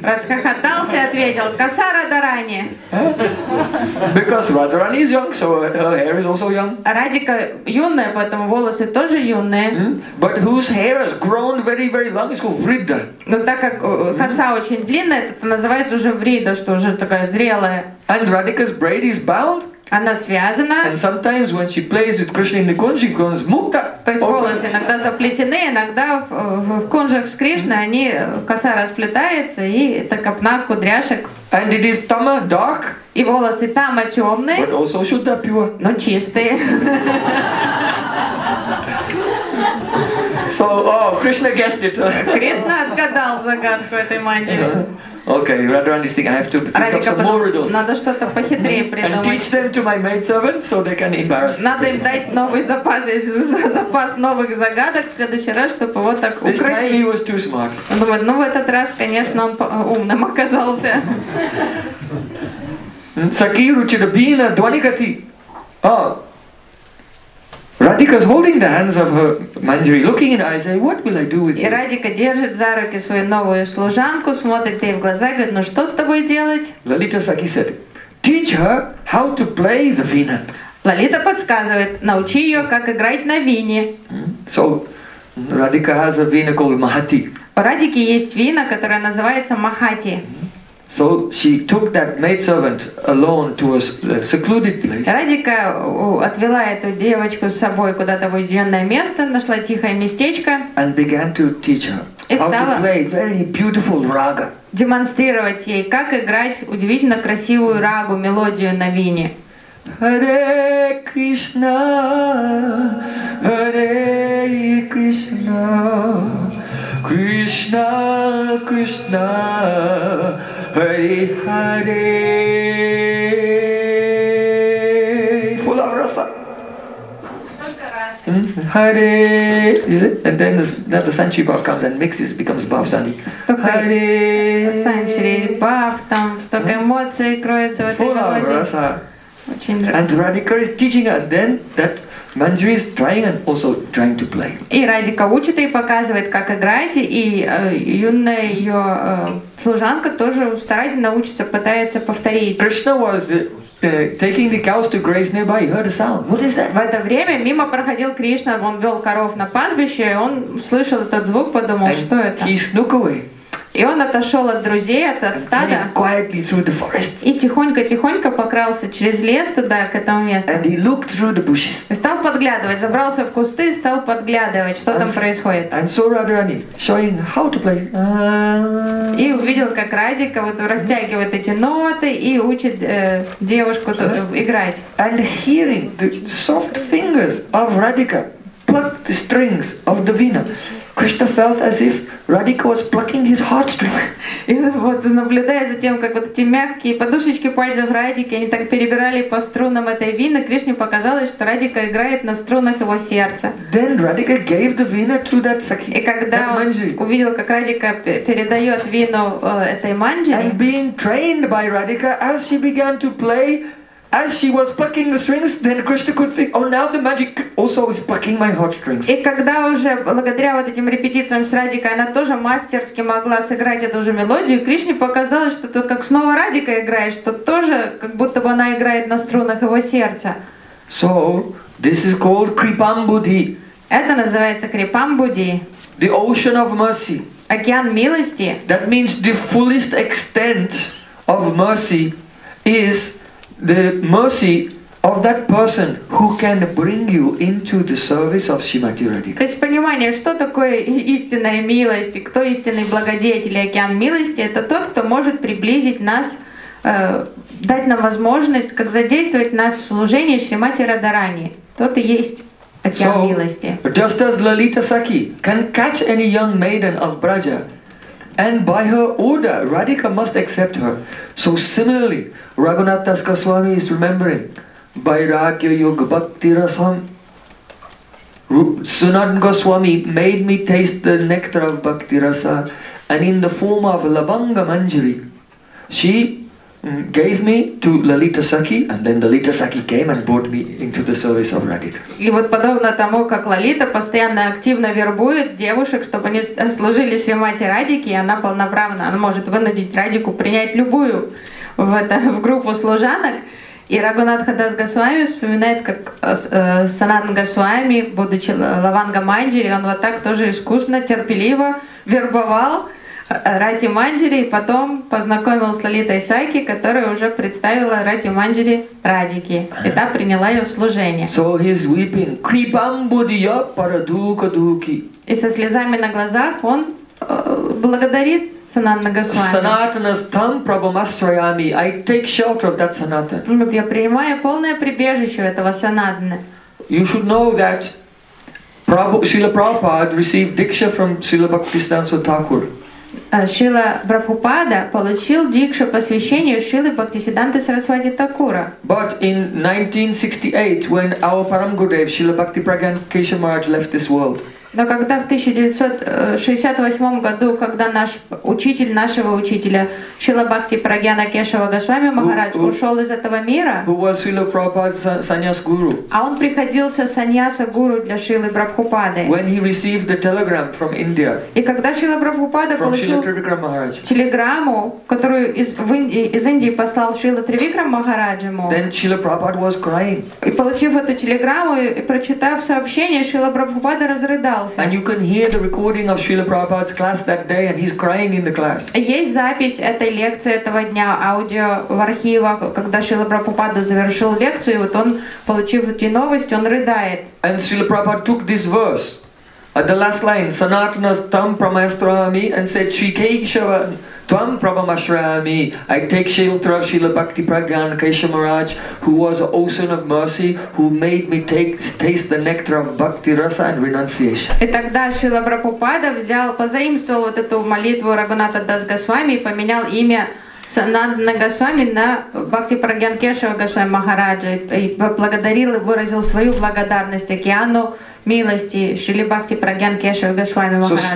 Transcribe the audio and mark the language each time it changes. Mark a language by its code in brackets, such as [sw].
[ru] Расхохотался и ответил: коса Радарани. [en] Because Radharani is young, so her hair is also young. [ru] Радика юная, поэтому волосы тоже юные. [en] But whose hair has grown very, very long is called Vridha. [ru] Но так как коса очень длинная, это называется уже Vridha, что уже такая зрелая. [en] And Radhika's braid is bound. [ru] Она связана. [en] And sometimes when she plays with Krishna in the kunj, she becomes mukta. [ru] То есть волосы иногда заплетены, иногда в кунжах с Кришной они коса расплетается и это копна кудряшек. [en] And it is tama dark. [ru] И волосы тама темные. [en] But also shuddha pure. [ru] Но чистые. [en] So, oh, Krishna guessed it. [ru] Кришна отгадал загадку этой мантры. [en] Okay, Radharani think I have to think of some more riddles. [ru] Надо что-то похитрее придумать. [en] And teach them to my maid servant so they can embarrass. [ru] Надо им дать новый запас новых загадок в следующий раз, чтобы вот так [en] this [ru] украсить. [en] This time he was too smart. [ru] Он думает, ну в этот раз, конечно, он умным оказался. [sa] Сакиру чирабина дваникати. Oh. [en] Radhika is holding the hands of her manjari, looking in her eyes, saying, "What will I do with you?" [ru] И Радика держит за руки свою новую служанку, смотрит ей в глаза, говорит, "Ну что с тобой делать?" [en] Lalita Sakhi said, "Teach her how to play the vina." [ru] Лалита подсказывает, научи ее, как играть на вине. [en] So, Radhika has a vina called Mahati. [ru] У Радики есть вина, которая называется Махати. [en] So she took that maidservant alone to a secluded place. [ru] Радика отвела эту девочку с собой куда-то в уединенное место, нашла тихое местечко. [en] And began to teach her how to play very beautiful raga. [ru] Демонстрировать ей, как играть удивительно красивую рагу, мелодию на вине. [en] Hare Krishna, Hare Krishna, Krishna Krishna, Hare Hare. Full of rasa. Hare, is it? And then the sanchi bhav comes and mixes, becomes bhav sani. Hare. [ru] Sanchi bhav, там столько эмоций кроется в этой мелодии. [en] Full of rasa. And Radhika is teaching her then that Manjari is trying and also trying to play. [ru] И Радика учит и показывает, как играть, и юная ее служанка тоже старательно учится, пытается повторить. [en] Krishna was taking the cows to graze nearby. He heard a sound. What is that? [ru] В это время мимо проходил Кришна, он вел коров на пастбище, и он слышал этот звук, подумал, что это. [en] He snuck away. [ru] И он отошел от друзей, от стада. [en] Quietly through the forest. [ru] И тихонько-тихонько покрался через лес туда, к этому месту. [en] And he looked through the bushes. [ru] И стал подглядывать, забрался в кусты и стал подглядывать, что там происходит. [en] And saw Radharani showing how to play. [ru] И увидел, как Радика вот растягивает эти ноты и учит девушку тут играть. [en] And hearing the soft fingers of Radhika pluck the strings of the vina. Krishna felt as if Radhika was plucking his heartstrings. [ru] И вот, наблюдая за тем, как вот эти мягкие подушечки пальцев Радики, они так перебирали по струнам этой вины, Кришне показалось, что Радика играет на струнах его сердца. [en] Then Radhika gave the vina to that Sakhi. [ru] И когда он увидел, как Радика передает вину этой манджари, [en] and being trained by Radhika, as she began to play. As she was plucking the strings, then Krishna could think, oh, now the magic also is plucking my heartstrings. [ru] И когда уже благодаря вот этим репетициям с Радикой она тоже мастерски могла сыграть эту же мелодию, Кришне показалось, что тут как снова Радика играет, что тоже как будто бы она играет на струнах его сердца. [en] So this is called Kripam Buddhi. [ru] Это называется Kripam Buddhi. [en] The ocean of mercy. [ru] Океан милости. [en] That means the fullest extent of mercy is the mercy of that person who can bring you into the service of Srimati Radhika. [ru] То есть понимание, что такое истинная милость, кто истинный благодетель, океан милости, это тот, кто может приблизить нас, дать нам возможность, как задействовать нас в служении Шримати Радарани. Тот и есть океан милости. [en] So, just as Lalita Sakhi can catch any young maiden of Braja, and by her order, Radhika must accept her. So similarly, Raghunath Das Goswami is remembering [sa] Bairagya Yoga Bhakti Rasam [en] Sunan Goswami made me taste the nectar of Bhakti Rasa, and in the form of Labanga Manjari, she gave me to Lalita Sakhi, and then Lalita Sakhi came and brought me into the service of Radhika. [ru] И вот подобно тому, как Лалита постоянно активно вербует девушек, чтобы они служили Шри Мати Радике, и она полноправна, она может вынудить Радику принять любую в группу служанок. И Рагунатха Дас Госвами вспоминает, как Сананда Госвами, будучи Лаванга Манджири, он вот так тоже искусно, терпеливо вербовал Рати Манджири, и потом познакомил с Лалитой Сакхи, которая уже представила Рати Манджири Радике, и та приняла ее в служение. [en] So he's weeping. [sa] Kripam budhiya paraduka duki. [ru] И со слезами на глазах он благодарит Сананда Госвами. [sa] Санатанастам прабхамасрайами. [en] I take shelter of that Sanatana. [ru] Вот я принимаю полное прибежище этого Санатаны. [en] You should know that Srila Prabhupada received diksha from Srila Bhaktisiddhanta Thakur. [ru] Шрила Прабхупада получил дикшу посвящение Шрилы Бхактисиддханты Сарасвати Такура. [en] But in 1968, when our Param Gurudev Srila Bhakti Pragyan Kesava Maharaj left this world. [ru] Но когда в 1968 году, когда наш учитель нашего учителя Шрила Бхакти Прагьяна Кешава Госвами Махарадж ушел из этого мира, а он приходился саньяса гуру для Шрилы Прабхупады. [en] When he received the telegram from India, [ru] и когда Шрила Прабхупада получил телеграмму, которую из Индии послал Шрила Тривикрама Махараджаму, [en] then Шрила Прабхупада was crying. [ru] И получив эту телеграмму и прочитав сообщение, Шрила Прабхупада разрыдал. [en] And you can hear the recording of Srila Prabhupada's class that day, and he's crying in the class. [ru] Есть запись этой лекции этого дня, аудио в архивах, когда Шрила Прабхупада завершил лекцию, и вот он, получив эти новости, он рыдает. [en] And Srila Prabhupada took this verse at the last line, [sa] Sanatanas tam pramastrami, [en] and said, [sa] Shri Keshava tam pramastrami, [en] I take shelter of Srila Bhakti Pragyan Kesava Maharaj, who was an ocean of mercy, who made me taste the nectar of Bhakti Rasa and renunciation. [ru] И тогда Шрила Прабхупада взял, позаимствовал вот эту молитву Рагунатха Дас Госвами и поменял имя Сананда Госвами на Бхакти Прагьян Кешава Госвами Махараджа и поблагодарил и выразил свою благодарность океану милости Шрили Бхакти Прагьян Кешава Госвами Махараджа.